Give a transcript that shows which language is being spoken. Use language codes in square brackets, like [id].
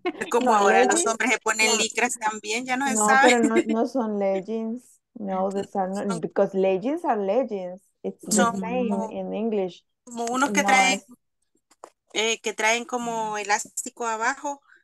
[es] Como no, ahora leggings. Los hombres se ponen licras también, ya no se no, sabe. Pero no, no son leggings. [en] No, these are not, because leggings are leggings. It's the same in English. [es] Como unos que traen que traen como elástico abajo.